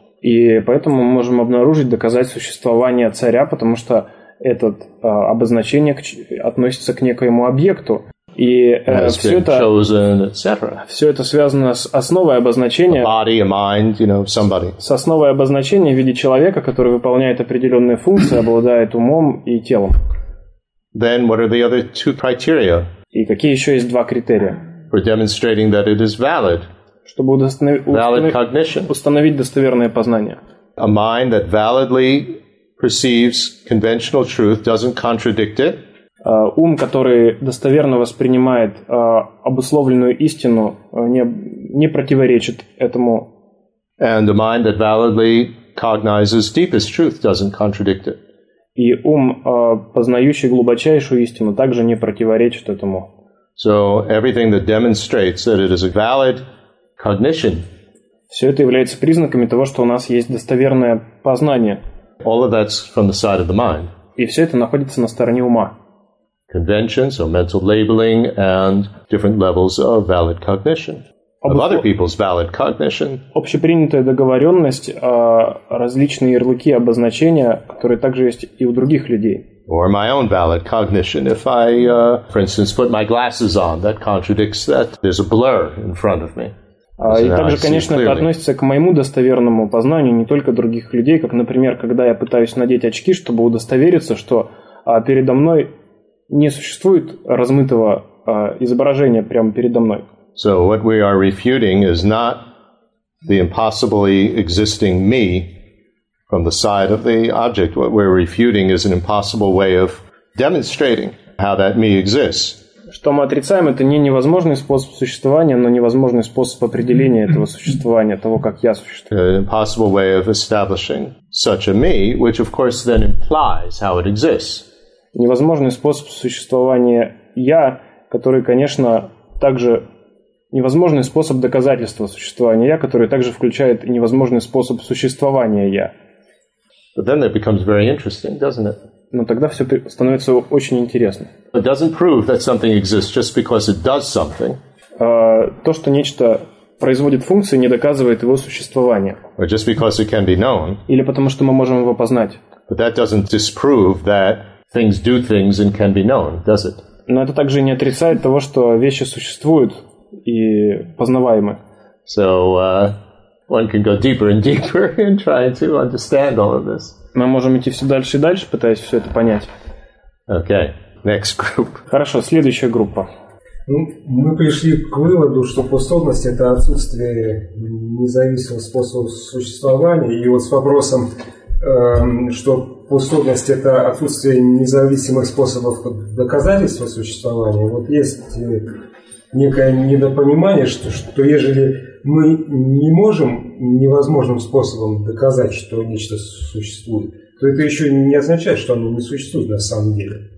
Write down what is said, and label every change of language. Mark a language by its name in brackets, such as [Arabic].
[Russian] И поэтому мы можем обнаружить, доказать существование царя, потому что это обозначение относится к некоему объекту. И все это связано с основой обозначения, [English] a body, a mind, you know, somebody. [Russian] С основой обозначения в виде человека, который выполняет определенные функции, обладает умом и телом. [English] Then what are the other two criteria? [Russian] И какие еще есть два критерия? [English] For demonstrating that it is valid. [Russian] Чтобы установить достоверное познание. [English] A mind that validly perceives conventional truth doesn't contradict it. [Russian] Ум, который достоверно воспринимает обусловленную истину, не противоречит этому. [English] And a mind that validly cognizes deepest truth doesn't contradict it. [Russian] И ум, познающий глубочайшую истину, также не противоречит этому. [English] So everything that demonstrates that it is a valid cognition. [Russian] Все это является признаками того, что у нас есть достоверное познание. [English] All of that's from the side of the mind. [Russian] И все это находится на стороне ума. [English] Convention, so mental labeling and different levels of valid cognition. Of other people's valid cognition. [Russian] Общепринятая договоренность, различные ярлыки, обозначения, которые также есть и у других людей. [English] Or my own valid cognition. If I, for instance, put my glasses on, that contradicts that there's a blur in front of me. [Russian] И также, конечно, это относится к моему достоверному познанию, не только других людей, как, например, когда я пытаюсь надеть очки, чтобы удостовериться, что передо мной не существует размытого изображения прямо передо мной. [English] So what we are refuting is not the impossibly existing me from the side of the object. What we're refuting is an impossible way of demonstrating how that me exists. [Russian] Что мы отрицаем, это не невозможный способ существования, но невозможный способ определения этого существования, того, как я существую. [English] An impossible way of establishing such a me, which of course then implies how it exists. [Russian] Невозможный способ существования я, который, конечно, также невозможный способ доказательства существования я, который также включает невозможный способ существования я. [English] But then it becomes very interesting, doesn't it? [Russian] Но тогда все становится очень интересно. [English] It doesn't prove that something exists just because it does something. [Russian] То, что нечто производит функции, не доказывает его существование. [English] Or just because it can be known. [Russian] Или потому что мы можем его познать. [English] But that doesn't disprove that things do things and can be known, does it? [Russian] Но это также не отрицает того, что вещи существуют и познаваемы. [English] So one can go deeper and deeper in trying to understand all of this. [Russian] Мы можем идти все дальше и дальше, пытаясь все это понять. [English] Okay, next group. [Russian] Хорошо, следующая группа. Ну, мы пришли к выводу, что способность – это отсутствие независимого способа существования. И вот с вопросом, что способность – это отсутствие независимых способов доказательства существования, вот есть некое недопонимание, что ежели мы не можем невозможным способом доказать, что нечто существует, то это еще не означает, что оно не существует на самом деле.